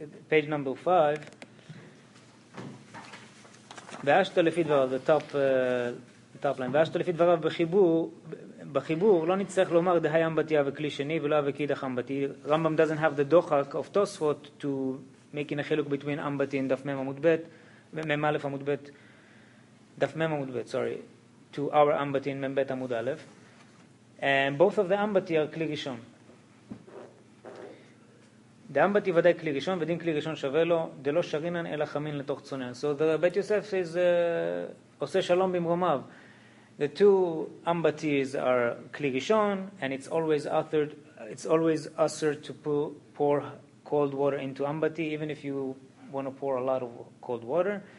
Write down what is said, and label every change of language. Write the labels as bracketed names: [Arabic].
[English] Page number 5, the top line, [Hebrew] ואשת לפי דבריו בחיבור, לא נצטרך לומר דהי אמבטיה וכלי שני ולא וקידך אמבטי. [English] Rambam doesn't have the דוחק of Tosfot to make in a חילוק between אמבטי and דף מ' עמוד ב', מ' א' עמוד ב', דף מ' עמוד ב', sorry, to our אמבטי and מ' ב' עמוד א'. And both of the אמבטי are כלי ראשון. [Hebrew] דאמבטי ודאי כלי ראשון, ודין כלי ראשון שווה לו, דלא שרינן אלא חמין לתוך צונן. [English] So the Bet Yosef is עושה שלום במרומיו. The two ambatis are kli rishon, and it's always usher to pour cold water into ambati, even if you want to pour a lot of cold water.